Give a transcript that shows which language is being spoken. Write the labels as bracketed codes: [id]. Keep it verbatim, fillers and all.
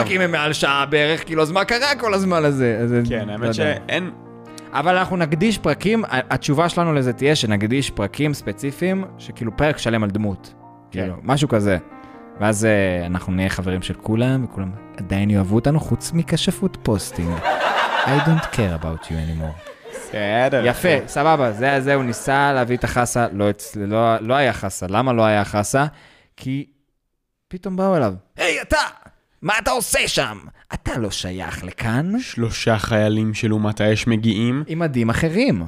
[he] הפרקים הם מעל שעה בערך, כאילו, אז מה קרה כל הזמן הזה? כן, האמת שאין... אבל אנחנו נקדיש פרקים, התשובה שלנו לזה תהיה שנקדיש פרקים ספציפיים, שכאילו פרק שלם על דמות, כאילו, משהו כזה. ואז אנחנו נהיה חברים של כולם, וכולם עדיין יאהבו אותנו, חוץ מכשפות פוסטים. [en] I don't care about you anymore. [he] בסדר. יפה, סבבה, זה הזה, הוא ניסה להביא את החסה, לא היה חסה. למה לא היה חסה? כי פתאום באו אליו, היי, אתה! מה אתה עושה שם? אתה לא שייך לכאן. שלושה חיילים של אומת האש מגיעים. עם מדים אחרים.